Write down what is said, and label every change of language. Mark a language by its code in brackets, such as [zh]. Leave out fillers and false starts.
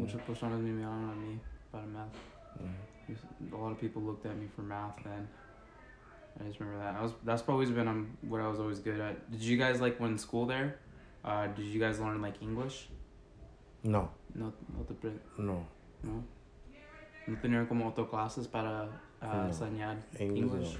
[es] Muchas personas me miraron a mí para math. [en] Mm-hmm. A lot of people looked at me for math then. I just remember that. That's always been what I was always good at. Did you guys, like, when school there, did you guys learn, like, English? No. [es] No, no te pre- No. No? No tenían como otro clases para enseñar English?